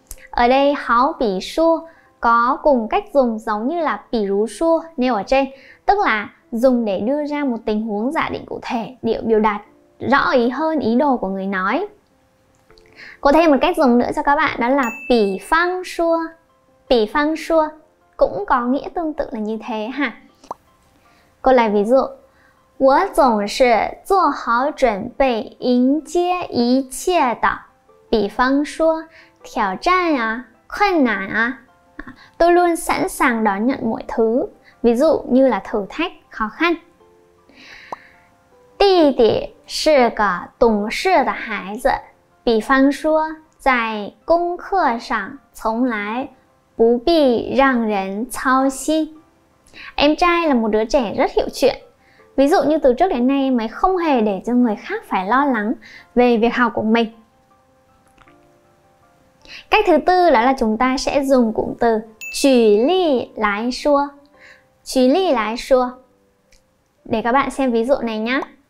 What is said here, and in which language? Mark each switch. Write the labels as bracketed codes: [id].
[vi] Ở đây 好比说 có cùng cách dùng giống như là 比如说 nêu ở trên, tức là dùng để đưa ra một tình huống giả định cụ thể để biểu đạt rõ ý hơn ý đồ của người nói. Có thêm một cách dùng nữa cho các bạn đó là 比方说. 比方说 cũng có nghĩa tương tự là như thế ha. Cô lấy ví dụ. [zh] 我总是做好准备迎接一切的。比方说挑战啊，困难啊。 [vi] Tôi luôn sẵn sàng đón nhận mọi thứ. Ví dụ như là thử thách, khó khăn. [zh] 弟弟是个懂事的孩子。比方说在功课上从来不必让人操心。 [vi] Em trai là một đứa trẻ rất hiểu chuyện. Ví dụ như từ trước đến nay mày không hề để cho người khác phải lo lắng về việc học của mình. Cách thứ tư đó là chúng ta sẽ dùng cụm từ chỉ lý lái xua. Chỉ lý lái xua. Để các bạn xem ví dụ này nhé.